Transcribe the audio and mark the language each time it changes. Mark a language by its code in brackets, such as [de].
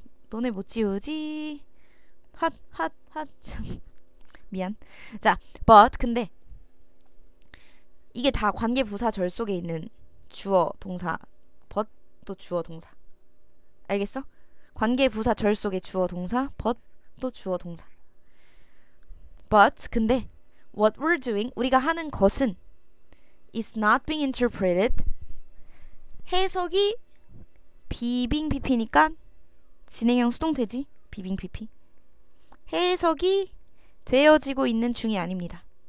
[ko] 너네 못 지우지? 핫, 핫, 핫. 미안. 자, but, 근데, 이게 다 관계 부사절 속에 있는 주어, 동사, but, 또 주어, 동사. 알겠어? 관계 부사절 속에 주어, 동사, but, 또 주어, 동사. [en] But, [ko] 근데, [en] what we're doing, [ko] 우리가 하는 것은, [en] is not being interpreted. [ko] 해석이 비빙비피니까 진행형 수동태지. 비빙비피. 해석이 되어지고 있는 중이 아닙니다.